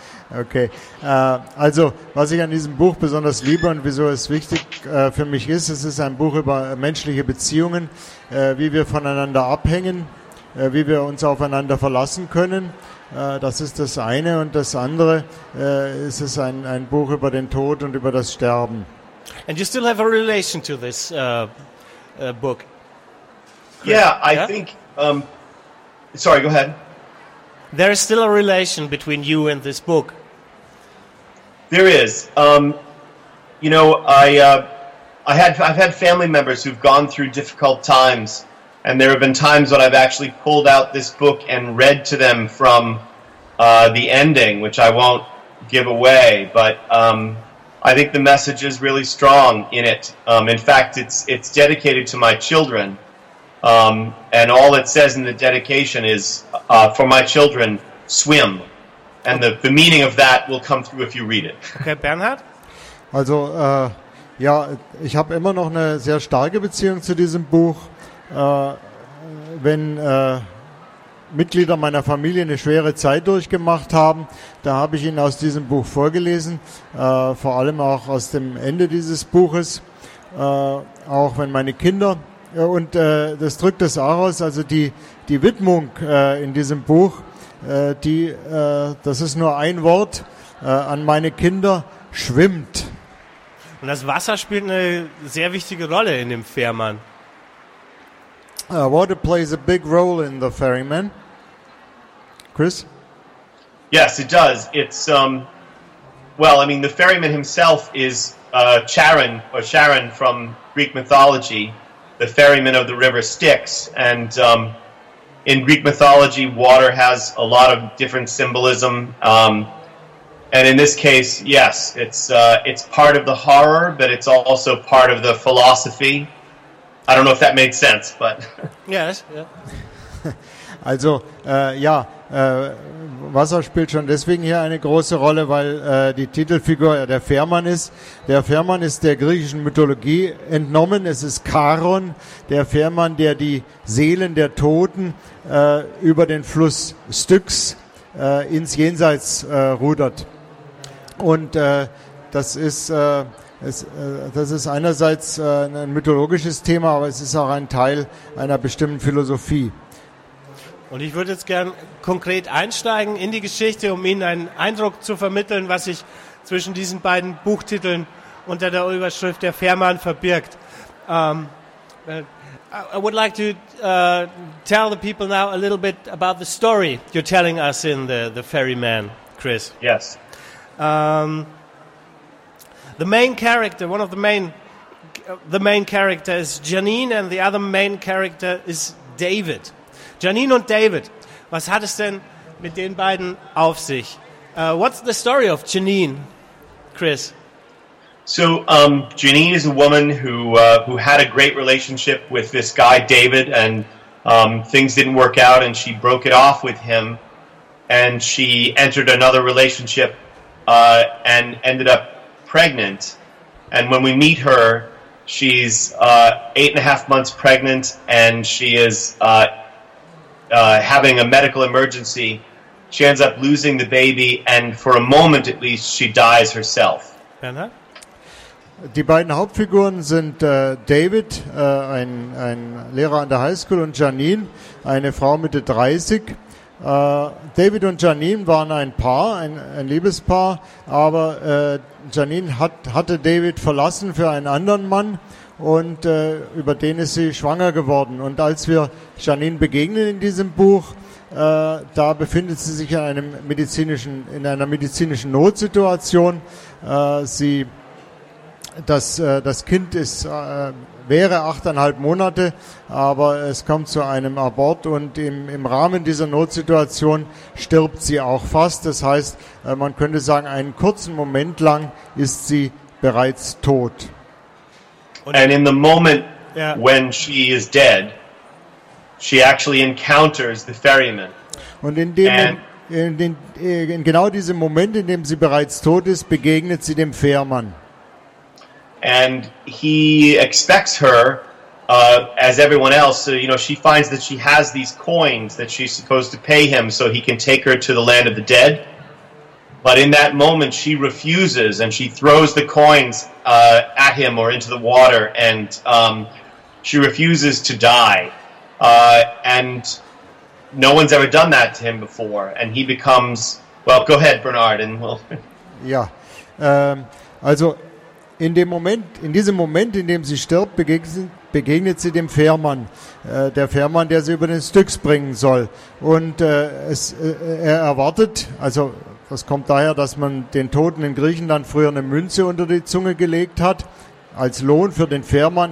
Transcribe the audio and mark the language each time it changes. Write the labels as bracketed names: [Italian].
[German] Okay, also was ich an diesem Buch besonders liebe und wieso es wichtig für mich ist, es ist ein Buch über menschliche Beziehungen, wie wir voneinander abhängen, wie wir uns aufeinander verlassen können, das ist das eine. Und das andere ist es ein Buch über den Tod und über das Sterben. [English] And you still have a relation to this book? Yeah, I think... sorry, go ahead. There is still a relation between you and this book. There is. I've had family members who've gone through difficult times, and there have been times when I've actually pulled out this book and read to them from the ending, which I won't give away, but I think the message is really strong in it. In fact, it's dedicated to my children. And all it says in the dedication is, for my children, swim. And the meaning of that will come through if you read it. Okay, Bernhard? [German] Also, ja, ich habe immer noch eine sehr starke Beziehung zu diesem Buch. Wenn Mitglieder meiner Familie eine schwere Zeit durchgemacht haben, da habe ich ihnen aus diesem Buch vorgelesen, vor allem auch aus dem Ende dieses Buches. Auch wenn meine Kinder... Und das drückt es auch aus, also die Widmung in diesem Buch, das ist nur ein Wort, an meine Kinder, schwimmt. Und das Wasser spielt eine sehr wichtige Rolle in dem Fährmann. [English] Water plays a big role in the ferryman. Chris? Yes, it does. It's, the ferryman himself is Charon, or Charon from Greek mythology. The ferryman of the river Styx, and in Greek mythology, water has a lot of different symbolism. And in this case, yes, it's part of the horror, but it's also part of the philosophy. I don't know if that made sense, but yes. [German] Also, ja, Wasser spielt schon deswegen hier eine große Rolle, weil die Titelfigur der Fährmann ist. Der Fährmann ist der griechischen Mythologie entnommen. Es ist Charon, der Fährmann, der die Seelen der Toten über den Fluss Styx ins Jenseits rudert. Und das ist einerseits ein mythologisches Thema, aber es ist auch ein Teil einer bestimmten Philosophie. Und ich würde jetzt gern konkret einsteigen in die Geschichte, um Ihnen einen Eindruck zu vermitteln, was sich zwischen diesen beiden Buchtiteln unter der Überschrift Der Fährmann verbirgt. [English] I would like to tell the people now a little bit about the story you're telling us in the Ferryman, Chris. Yes. The main character, one of the main character is Janine, and the other main character is David. [German] Janine und David, was hat es denn mit den beiden auf sich? [English] What's the story of Janine, Chris? So Janine is a woman who had a great relationship with this guy, David, and things didn't work out and she broke it off with him and she entered another relationship and ended up pregnant. And when we meet her, she's 8.5 months pregnant and she is... having a medical emergency, she ends up losing the baby, and for a moment at least, she dies herself. Anna? [German] Die beiden Hauptfiguren sind David, ein Lehrer an der High School, und Janine, eine Frau Mitte 30. David und Janine waren ein Paar, ein Liebespaar, aber Janine hatte David verlassen für einen anderen Mann. Und über den ist sie schwanger geworden. Und als wir Janine begegnen in diesem Buch, da befindet sie sich in einer medizinischen Notsituation. Sie das, das Kind ist, wäre 8,5 Monate, aber es kommt zu einem Abort und im Rahmen dieser Notsituation stirbt sie auch fast. Das heißt, man könnte sagen, einen kurzen Moment lang ist sie bereits tot. [English] And in the moment when she is dead, she actually encounters the ferryman. [German] Und in dem in genau diesem Moment, in dem sie bereits tot ist, begegnet sie dem Fährmann. [English] And he expects her, as everyone else, so, you know, she finds that she has these coins that she's supposed to pay him so he can take her to the land of the dead. But in that moment, she refuses and she throws the coins at him or into the water, and she refuses to die. And no one's ever done that to him before. And he becomes, well, go ahead, Bernard, and we'll... [German] Ja, also... In dem Moment, in diesem Moment, in dem sie stirbt, begegnet sie dem Fährmann, der Fährmann, der sie über den Styx bringen soll. Und er erwartet, also das kommt daher, dass man den Toten in Griechenland früher eine Münze unter die Zunge gelegt hat, als Lohn für den Fährmann.